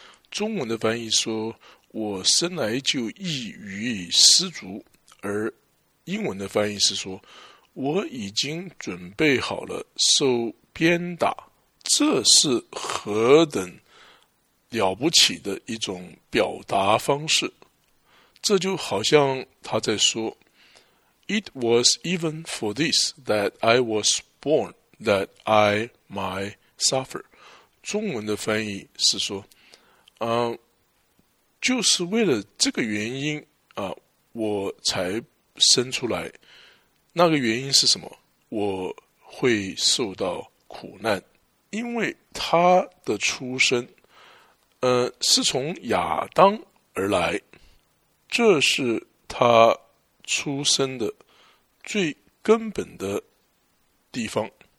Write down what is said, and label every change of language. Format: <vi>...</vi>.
<zh>中文的翻译说，我生来就异于失足，而英文的翻译是说，我已经准备好了受鞭打。这是何等了不起的一种表达方式。这就好像他在说，</zh> <en>It was even for this that I was born, that I might suffer.</en> <zh>中文的翻译是说，就是为了这个原因啊，我才生出来。那个原因是什么？我会受到苦难。因为他的出生，是从亚当而来，这是他出生的最根本的地方。</zh>